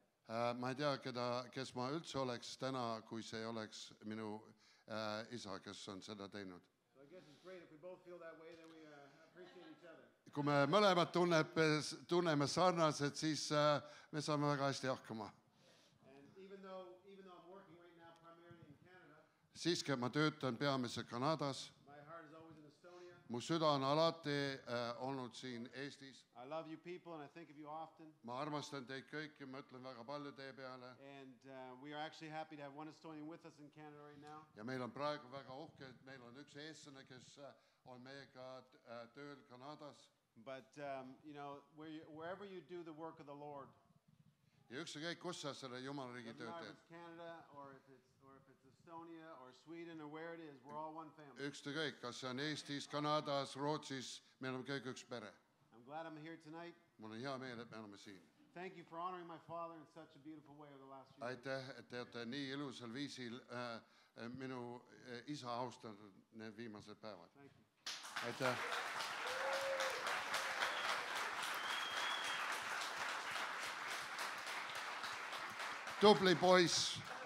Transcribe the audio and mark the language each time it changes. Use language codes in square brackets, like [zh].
[et] Ma ei tea, keda, kes ma üldse oleks täna, kui see oleks minu isa, kes on seda teinud. [en] So I guess it's great if we both feel that way, then we appreciate each other. [et] Kui me mõlemad tunneme sarnased, siis me saame väga hästi hakkama. [en] And even though I'm working right now primarily in Canada, [et] siiski ma töötan peamiselt Kanadas, [en] my heart is always in Estonia. [et] Mu süda on alati olnud siin Eestis. [en] I love you people and I think of you often. [et] Ma armastan teid kõiki, mõtlen väga palju teie peale. [en] And we are actually happy to have one Estonian with us in Canada right now. [et] Ja meil on praegu väga uhke, et meil on üks eestlane, kes on meiega tööl Kanadas. [en] But you know, wherever you do the work of the Lord. [et] Ja üks on kõik, kus sa selle Jumala riigi tööd teed. [en] If it's Canada or if it's Estonia or Sweden or where it is, we're all one family. [et] Üks on kõik, kas see on Eestis, Kanadas, Rootsis, me oleme kõik üks pere. [en] I'm glad I'm here tonight. [et] Mul on hea meel, et me oleme siin. [en] Thank you for honoring my father in such a beautiful way over the last few years. [et] Aitäh, et te olete nii ilusel viisil minu isa austanud need viimased päevad. [en] Thank you. [et] Aitäh. Tubli pois.